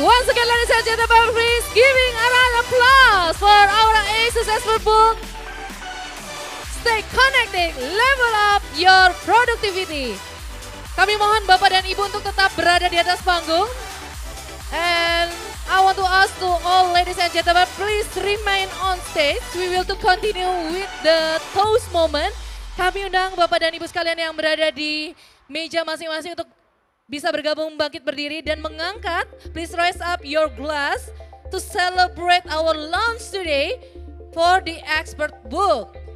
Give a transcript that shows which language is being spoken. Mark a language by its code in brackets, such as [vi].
[en] Once again, ladies and gentlemen, please giving a round of applause for our ASUS Asper booth. Stay connected, level up your productivity. [id] Kami mohon Bapak dan Ibu untuk tetap berada di atas panggung. [en] And I want to ask to all ladies and gentlemen, please remain on stage. We will to continue with the toast moment. [id] Kami undang Bapak dan Ibu sekalian yang berada di meja masing-masing untuk bisa bergabung bangkit berdiri dan mengangkat. [en] Please raise up your glass to celebrate our launch today for the expert book.